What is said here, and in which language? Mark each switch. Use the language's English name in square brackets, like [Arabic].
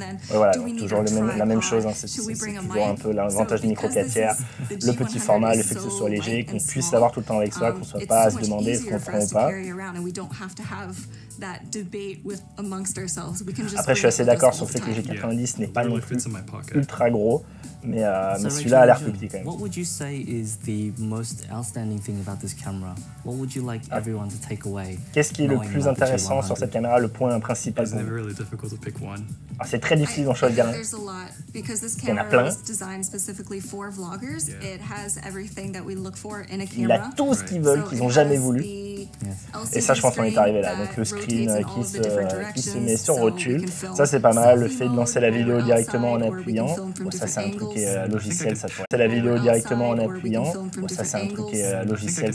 [French] Voilà, toujours la même chose. Hein. C'est toujours un peu l'avantage du micro 4 tiers. Le petit format, le fait que ce soit léger, qu'on puisse l'avoir tout le temps avec soi, qu'on ne soit pas à se demander ce qu'on prend ou pas. [English] We don't have to have that debate with amongst ourselves. We can just. [French] Après, je suis assez d'accord sur le fait que le G90 n'est pas non plus ultra gros, mais celui-là a l'air plus petit quand même. [English] What would you say is the most outstanding thing about this camera? What would you like everyone to take away? [French] Qu'est-ce qui est le plus intéressant sur cette caméra, le point principal? [English] It's never really difficult to pick one. [French] Alors, c'est très difficile d'en choisir un. [English] There's a lot because this camera is designed specifically for vloggers. Yeah. It has everything that we look for in a camera. [French] Il a tout ce qu'ils veulent, qu'ils ont jamais voulu. Et ça, je pense qu'on est arrivé là. Donc le screen qui se met sur rotule, ça c'est pas mal. Le fait de lancer la vidéo directement en appuyant, bon, ça c'est un truc qui est logiciel. Ça pourrait être la vidéo directement en appuyant, bon, ça c'est un truc qui est logiciel.